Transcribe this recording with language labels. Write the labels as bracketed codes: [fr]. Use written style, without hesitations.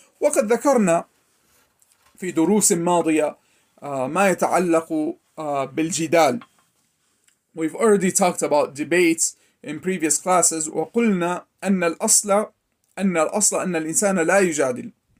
[ar] وقد ذكرنا في دروس ماضية ما يتعلق بالجدال. [en] We've already talked about debates in previous classes. [ar] وقلنا أن الأصل أن الأصل أن الإنسان لا يجادل.